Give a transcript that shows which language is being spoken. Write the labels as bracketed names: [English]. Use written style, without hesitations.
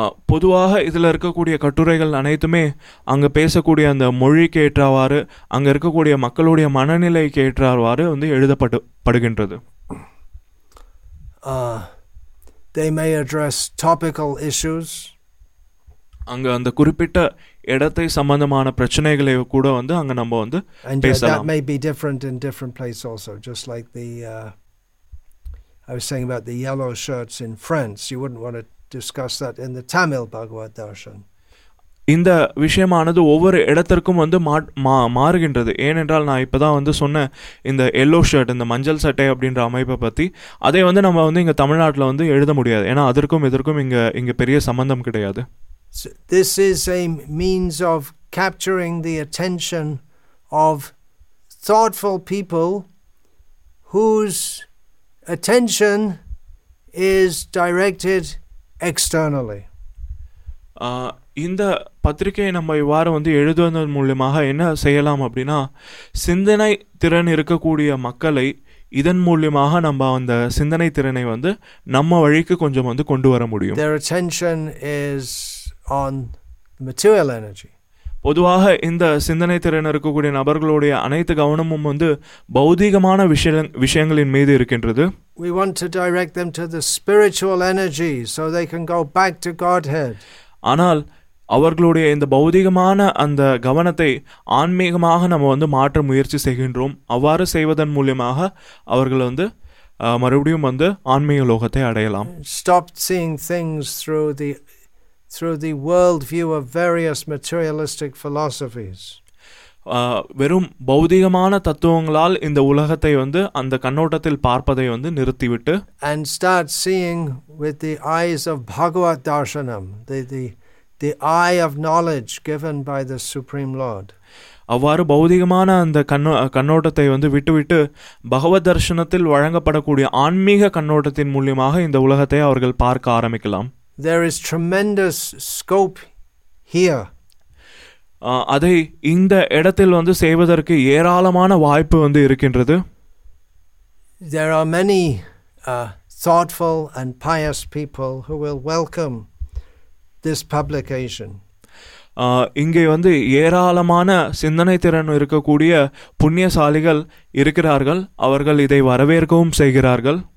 [Tamil] பொதுவாக இதில் இருக்கக்கூடிய கட்டுரைகள் அனைத்துமே அங்கே பேசக்கூடிய அந்த மொழிக்கு ஏற்றவாறு, அங்கே இருக்கக்கூடிய மக்களுடைய மனநிலைக்கு ஏற்றவாறு வந்து எழுதப்படுகின்றது. [English] They may address topical issues. [Tamil] அங்கே அந்த குறிப்பிட்ட இடத்தை சம்பந்தமான பிரச்சனைகளை கூட வந்து அங்கே நம்ம வந்து பேசலாம். [English] And that may be different in different places also, just like the I was saying about the yellow shirts in France. You wouldn't want to discuss that in the Tamil Bhagavad Darshan. [Tamil] இந்த விஷயமானது ஒவ்வொரு இடத்திற்கும் வந்து மாறுகின்றது. ஏனென்றால் நான் இப்போதான் வந்து சொன்ன இந்த எல்லோ ஷர்ட், இந்த மஞ்சள் சட்டை அப்படின்ற அமைப்பை பற்றி, அதை வந்து நம்ம வந்து இங்கே தமிழ்நாட்டில் வந்து எழுத முடியாது. ஏன்னா அதற்கும் இதற்கும் இங்கே பெரிய சம்பந்தம் கிடையாது. [English] This is a means of capturing the attention of thoughtful people whose attention is directed externally. [Tamil] இந்த பத்திரிகையை நம்ம இவ்வாறு வந்து எழுதுவதன் மூலமாக என்ன செய்யலாம் அப்படின்னா, சிந்தனை திறன் இருக்கக்கூடிய மக்களை இதன் மூலமாக நம்ம அந்த சிந்தனை திறனை வந்து நம்ம வழிக்கு கொஞ்சம் வந்து கொண்டு வர முடியும். [English] Their attention is on material energy. [Tamil] பொதுவாக இந்த சிந்தனை திறன் இருக்கக்கூடிய நபர்களுடைய அனைத்து கவனமும் வந்து பௌதீகமான விஷயங்களின் மீது இருக்கின்றது. [English] We want to direct them to the spiritual energy so they can go back to Godhead. [Tamil] ஆனால் அவர்களுடைய இந்த பௌதிகமான அந்த கவனத்தை ஆன்மீகமாக நம்ம வந்து மாற்ற முயற்சி செய்கின்றோம். அவ்வாறு செய்வதன் மூலமாக அவர்கள் வந்து மறுபடியும் வந்து ஆன்மீக லோகத்தை அடையலாம். [English] Stop seeing things through the world view of various materialistic philosophies. [Tamil] வெறும் பௌதிகமான தத்துவங்களால் இந்த உலகத்தை வந்து அந்த கண்ணோட்டத்தில் பார்ப்பதை வந்து நிறுத்திவிட்டு [English] and start seeing with the eyes of Bhagavad Darshanam, the eye of knowledge given by the Supreme Lord. [Tamil] அவ்வாறு பௌதிகமான அந்த கண்ணோட்டத்தை வந்து விட்டுவிட்டு பகவத் தர்சனத்தில் வழங்கப்படக்கூடிய ஆன்மீக கண்ணோட்டத்தின் மூலியமாக இந்த உலகத்தை அவர்கள் பார்க்க ஆரம்பிக்கலாம். [English] There is tremendous scope here. [Tamil] அதை இந்த இடத்தில் வந்து செய்வதற்கு ஏராளமான வாய்ப்பு வந்து இருக்கின்றது. [English] There are many thoughtful and pious people who will welcome this publication. [Tamil] இங்கே வந்து ஏராளமான சிந்தனை திறன் இருக்கக்கூடிய புண்ணியசாலிகள் இருக்கிறார்கள். அவர்கள் இதை வரவேற்கவும் செய்கிறார்கள்.